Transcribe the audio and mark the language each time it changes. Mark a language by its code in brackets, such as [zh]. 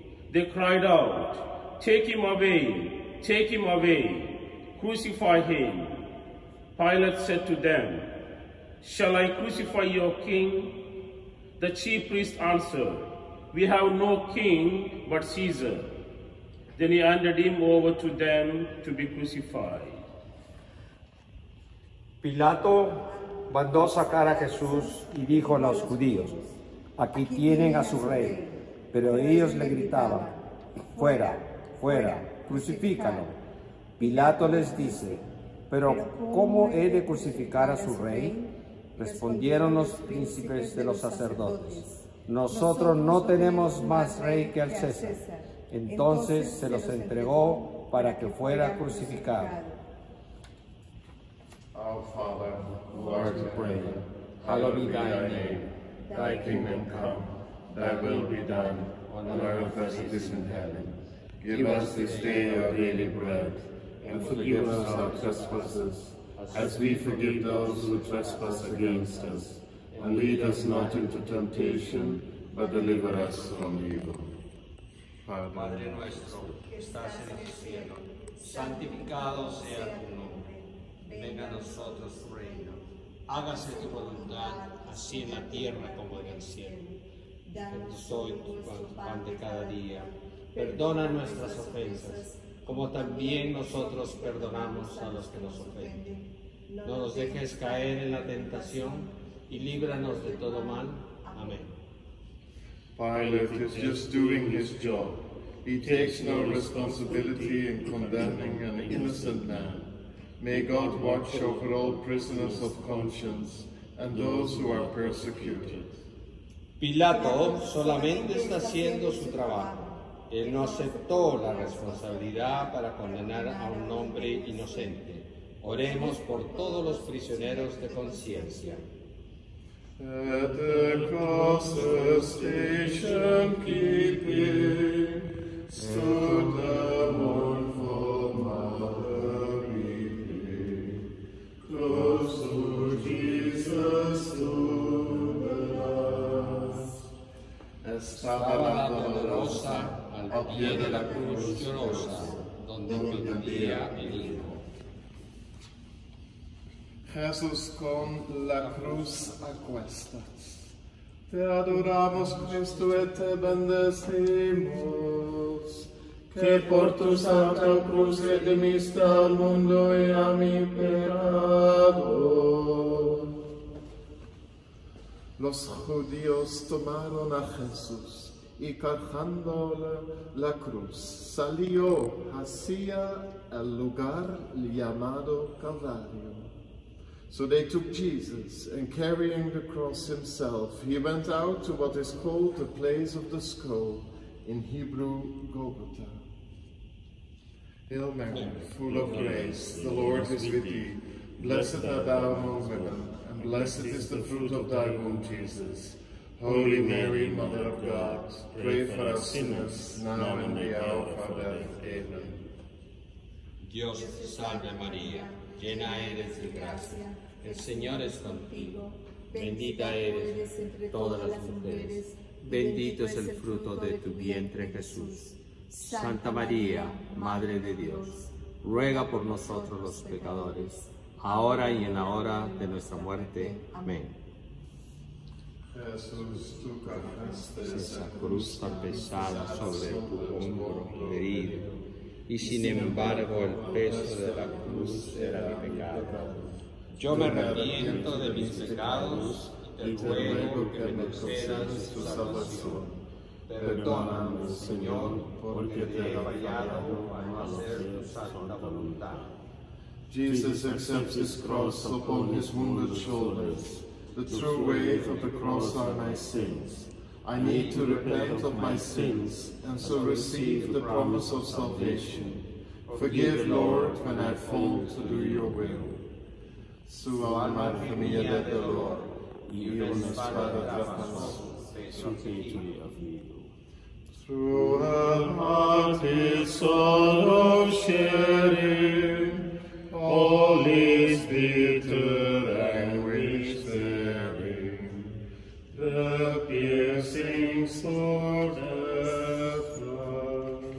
[en] They cried out, "Take him away, take him away, crucify him." Pilate said to them, "Shall I crucify your king?" The chief priest answered, "We have no king but Caesar." Then he handed him over to them to be crucified. [es] Pilato mandó sacar a Jesús y dijo a los judíos, "Aquí tienen a su rey." Pero ellos le gritaban, "Fuera, fuera, crucifícalo." Pilato les dice, "¿Pero cómo he de crucificar a su rey?" Respondieron los príncipes de los sacerdotes, "Nosotros no tenemos más rey que al César." Entonces se los entregó para que fuera crucificado. [en] Our Father, who art in heaven, hallowed be thy name. Thy kingdom come, thy will be done, on earth as it is in heaven. Give us this day our daily bread, and forgive us our trespasses, as we forgive those who trespass against us. And lead us not into temptation, but deliver us from evil. [es] Padre nuestro, que estás en el cielo, santificado sea tu nombre. Venga a nosotros tu reino. Hágase tu voluntad, así en la tierra como en el cielo. Danos hoy tu pan de cada día. Perdona nuestras ofensas, como también nosotros perdonamos a los que nos ofenden. No nos dejes caer en la tentación, y líbranos de todo mal. Amén. [en] Pilate is just doing his job. He takes no responsibility in condemning an innocent man. May God watch over all prisoners of conscience and those who are persecuted. [es] Pilato solamente está haciendo su trabajo. Él no aceptó la responsabilidad para condenar a un hombre inocente. Oremos por todos los prisioneros de conciencia. [en] At the cross of station keeping stood the mournful mother weeping. Close to Jesus stood the dust. [es] Estaba la dolorosa al pie de la cruz llorosa, donde vivía el hijo. Jesús con la cruz a cuestas. Te adoramos, Cristo, y te bendecimos, que por tu santa cruz redimiste al mundo y a mi pecado. Los judíos tomaron a Jesús y cargando la cruz salió hacia el lugar llamado Calvario. [en] So they took Jesus, and carrying the cross himself, he went out to what is called the place of the skull, in Hebrew, Golgotha. Hail Mary, full of grace, the Lord is with thee. Blessed art thou among women, and blessed is the fruit of thy womb, Jesus. Holy Mary, Mother of God, pray for us sinners, now and in the hour of our death. Amen. [es] Dios te salve María, llena eres de gracia. El Señor es contigo, bendita eres entre todas las mujeres, bendito es el fruto de tu vientre, Jesús. Santa María, Madre de Dios, ruega por nosotros los pecadores, ahora y en la hora de nuestra muerte. Amén. Jesús, tú cargaste esa cruz tan pesada sobre tu hombro querido, y sin embargo el peso de la cruz era mi pecado. Yo me arrepiento de mis pecados y te ruego que me concedas tu salvación. Perdóname, Señor, porque te he fallado al no hacer tu santa voluntad. [en] Jesus accepts his cross upon his wounded shoulders. The true weight of the cross are my sins. I need to repent of my sins and so receive the promise of salvation. Forgive, Lord, when I fall to do your will. Su alma mia de dolor, io ne spada da passo, se so che il mio sorrow sharing, all is bitter anguish bearing, the piercing sword of